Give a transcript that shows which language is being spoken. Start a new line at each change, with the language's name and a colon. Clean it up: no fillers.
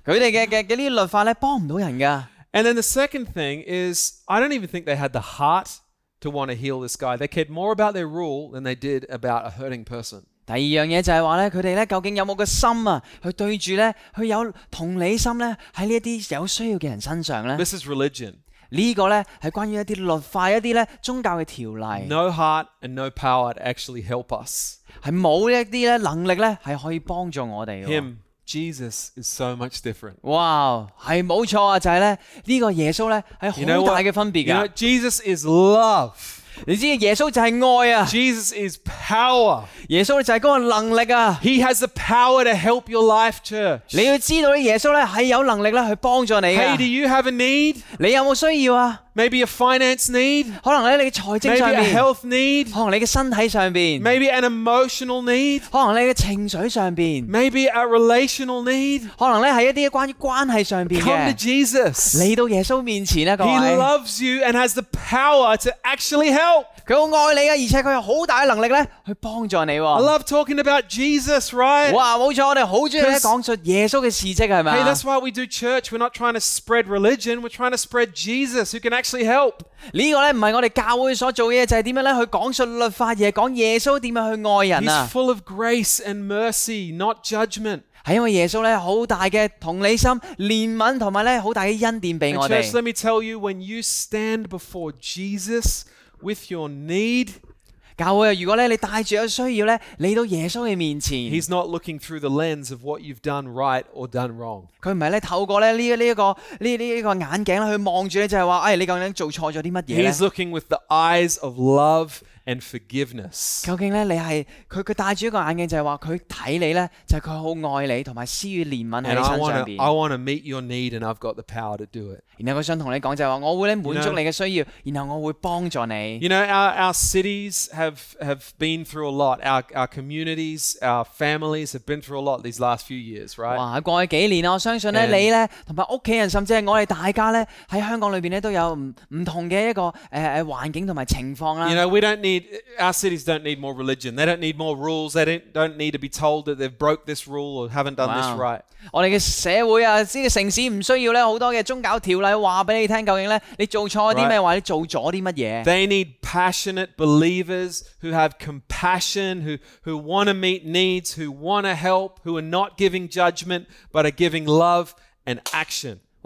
Cantonese: 佢哋嘅呢啲律法咧帮唔到人噶。
English: And then the second thing is, I don't even think they had the heart. To want to heal this guy, they cared more about their rule than they did about a hurting person.
Cantonese: 第二样嘢就系话咧，佢哋咧究竟有冇个心啊，去对住咧，去有同理心咧，喺呢一啲有需要嘅人身上咧。
English: This is religion.
Cantonese: 呢个咧系关于一啲律法、一啲咧宗教嘅条例。
English: No heart and no power to actually help us.
Cantonese: 系冇一啲咧能力咧系可以帮助我哋。
English: Him, Jesus is so much different.
Cantonese: Wow, 系冇错啊，就系咧呢个耶稣咧系好大嘅分别噶。
English: You know, Jesus is love.
Cantonese: 你知耶稣就系爱啊。
English: Jesus is power.
Cantonese: 耶稣就系嗰个能力啊。
English: He has the power to help your life, church.
Cantonese: 你要知道咧，耶稣咧系有能力咧去帮助你噶。
English: Hey, do you have a need?
Cantonese: 你有冇需要啊？
English: Maybe a finance need.
Cantonese: 可能咧你嘅财政上边。
English: Maybe a health need.
Cantonese: 可能你嘅身体上边。
English: Maybe an emotional need.
Cantonese: 可能你嘅情绪上边。
English: Maybe a relational need.
Cantonese: 可能咧系一啲关于关系上边嘅。
English: Come to Jesus.
Cantonese: 嚟到耶稣面前啊，各位。
English: He loves you and has the power to actually help.
Cantonese: 佢好爱你啊，而且佢有好大嘅能力咧去帮助你。
English: I love talking about Jesus, right?
Cantonese: 哇，冇错，我哋好中意咧讲述耶稣嘅事迹系咪啊
English: ？Hey, that's why we do church. We're not trying to spread religion. We're trying to spread Jesus, who can actually help.
Cantonese: 呢个咧唔系我哋教会所做嘅嘢，就系点样咧去讲述律法，而系讲耶稣点样去爱人啊。
English: He's full of grace and mercy, not judgment.
Cantonese: 系因为耶稣咧好大嘅同理心、怜悯同埋咧好大嘅恩典俾我哋。
English: Church, let me tell you, when you stand before Jesus with your need,
Cantonese: 教会啊，如果咧你带住有需要咧嚟到耶稣嘅面前
English: ，He's not looking through the lens of what you've done right or done wrong.
Cantonese: 佢唔系咧透过咧呢一个眼镜咧去望住咧，就系话，哎，你究竟做错咗啲乜嘢咧
English: ？He's looking with the eyes of love and forgiveness.
Cantonese: 究竟咧你系佢带住一个眼镜，就系话佢睇你咧，就系佢好爱你，同埋施予怜悯喺你身上边。
English: And I want to meet your need, and I've got the power to do it.
Cantonese: 然后我想同你讲就系话，我会咧满足你嘅需要，然后我会帮助你。
English: You know, our cities have been through a lot. Our communities, our families have been through a lot these last few years, right?
Cantonese: 哇！喺过去几年啊，我相信咧你咧同埋屋企人，甚至系我哋大家咧喺香港里边咧都有唔同嘅一个环境同埋情况啦。
English: You know, we don't need need, our cities don't need more religion. They don't need more rules. They don't need to be told that they've broke this rule or haven't done this right.
Cantonese: 我哋嘅社會啊，呢個城市唔需要咧好多嘅宗教條例話俾你聽，究竟咧你做錯啲咩，或者做咗啲乜嘢。
English: They need passionate believers who have compassion, who want to meet needs, who want to help, who are not giving judgment but are giving love and action.